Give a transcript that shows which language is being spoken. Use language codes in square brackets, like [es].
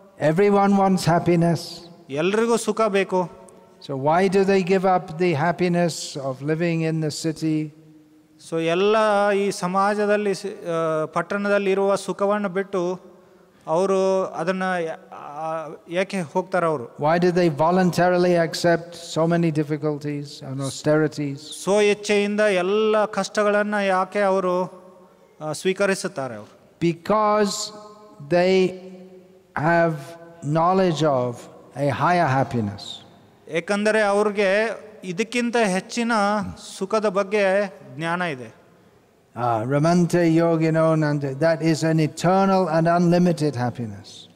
[en] Everyone wants happiness. [kn] ಎಲ್ಲರಿಗೂ ಸುಖ ಬೇಕು. [en] So why do they give up the happiness of living in the city? [kn] So ಎಲ್ಲ ಈ ಸಮಾಜದಲ್ಲಿ ಪಟ್ಟಣದಲ್ಲಿ ಇರುವ ಸುಖವನ್ನು ಬಿಟ್ಟು ಅವರು ಅದನ್ನು ಯಾಕೆ ಹೋಗ್ತಾರೆ ಅವರು? [en] Why do they voluntarily accept so many difficulties on austerities? [kn] So ಇಚ್ಛೆಯಿಂದ ಎಲ್ಲ ಕಷ್ಟಗಳನ್ನು ಯಾಕೆ ಅವರು ಸ್ವೀಕರಿಸುತ್ತಾರೆ ಅವರು? [en] Because they have knowledge of a higher happiness. [kn] ಏಕೆಂದರೆ ಅವ್ರಿಗೆ ಇದಕ್ಕಿಂತ ಹೆಚ್ಚಿನ ಸುಖದ ಬಗ್ಗೆ ಜ್ಞಾನ ಇದೆ. [sa] Ramante yogino nante, [en] that is an eternal and unlimited happiness.